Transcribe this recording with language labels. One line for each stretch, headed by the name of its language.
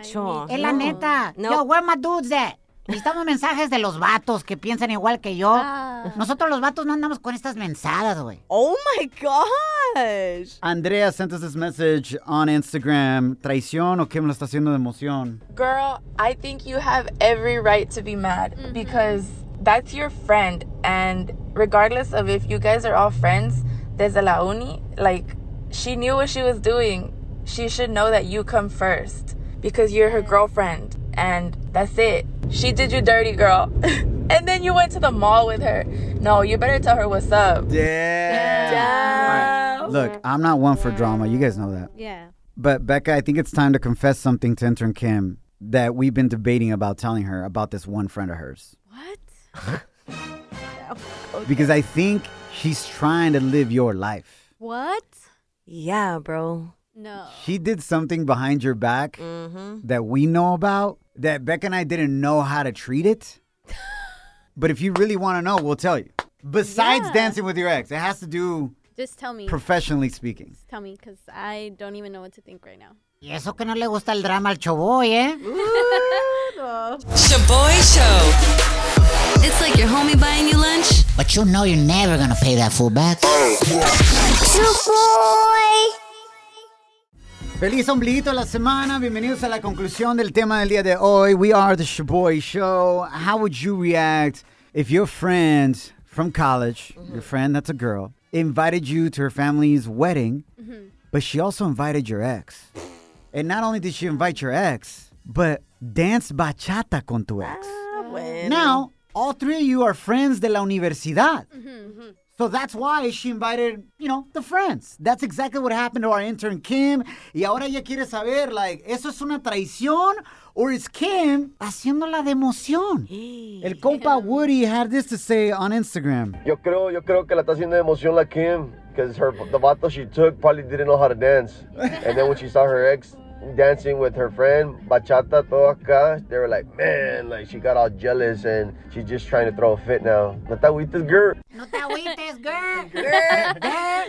Spanish: Es la neta.
English: Nope. Yo, where my dudes at?
Spanish: Necesitamos mensajes de los vatos que piensan igual que yo. Nosotros los vatos no andamos con estas mensadas, güey.
English: Oh, my gosh. Andrea sent us this message on Instagram.
Spanish: ¿Traición o qué me lo está haciendo de emoción?
English: Girl, I think you have every right to be mad because that's your friend. And regardless of if you guys are all friends,
Spanish: desde la uni,
English: like, she knew what she was doing. She should know that you come first because you're her girlfriend. And that's it. She did you dirty, girl. And then you went to the mall with her. No, you better tell her what's up. Damn. Right. Look, I'm not one for drama. You guys know that. Yeah. But Becca, I think it's time to confess something to intern Kim that we've been debating about telling her about this one friend of hers. What? Okay. Because I think she's trying to live your life. What? Yeah, bro. No. She did something behind your back that we know about that Beck and I didn't know how to treat it. But if you really want to know, we'll tell you. Besides dancing with your ex, it has to do... Just tell me. Professionally speaking. Just tell me, because I don't even know what to think right now.
Spanish: Y eso que no le gusta el drama al Shaboy, ¿eh?
English: Shaboy Show. It's like your homie buying you lunch. But you know you're never going to pay that fool back. Shaboy.
Spanish: Feliz ombliguito de la semana. Bienvenidos a la conclusión del tema del día de hoy.
English: We are the Shaboy Show. How would you react if your friend from college, your friend that's a girl, invited you to her family's wedding, but she also invited your ex? And not only did she invite your ex, but danced bachata
Spanish: con tu ex.
English: Now, all three of you are friends
Spanish: de la universidad.
English: So that's why she invited, you know, the friends. That's exactly what happened to our intern, Kim.
Spanish: Y ahora ella quiere saber, like, ¿eso es una traición?
English: Or is Kim
Spanish: haciendo la de emoción?
English: El compa Woody had this to say on Instagram.
Spanish: Yo creo que la está haciendo de emoción la Kim.
English: Because the vato she took probably didn't know how to dance. And then when she saw her ex dancing with her friend, bachata,
Spanish: todo acá,
English: they were like, man, like, she got all jealous and she's just trying to throw a fit now.
Spanish: No te agüites, girl. No te agüites, girl.
English: Girl.